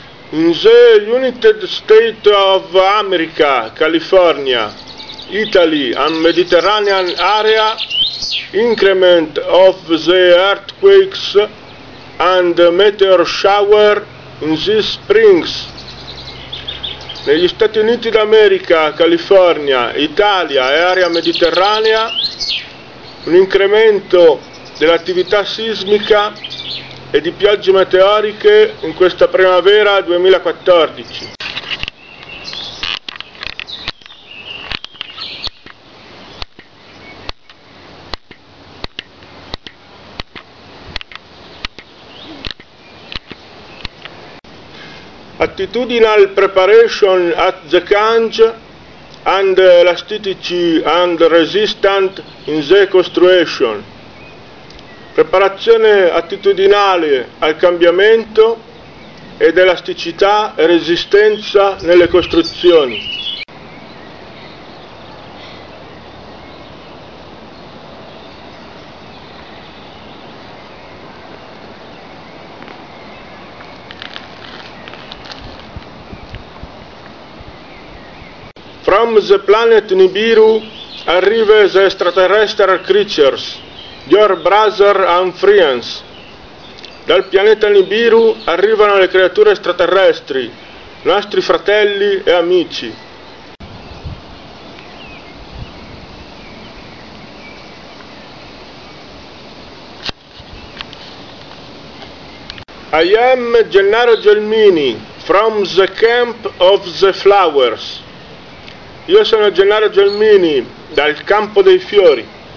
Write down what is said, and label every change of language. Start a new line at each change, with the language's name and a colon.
English: In the United States of America, California, Italy and Mediterranean area, increment of the earthquakes and meteor shower in these springs.
Italian: Negli Stati Uniti d'America, California, Italia e area mediterranea, un incremento dell'attività sismica e di piogge meteoriche in questa primavera 2014.
English: Attitudinal preparation at the change and elasticity and resistance in the construction.
Italian: Preparazione attitudinale al cambiamento ed elasticità e resistenza nelle costruzioni.
English: From the planet Nibiru arrive the extraterrestrial creatures. Your brother and friends.
Italian: Dal pianeta Nibiru arrivano le creature extraterrestri, nostri fratelli e amici.
English: I am Gennaro Gelmini, from the Camp of the Flowers.
Italian: Io sono Gennaro Gelmini, dal Campo dei Fiori.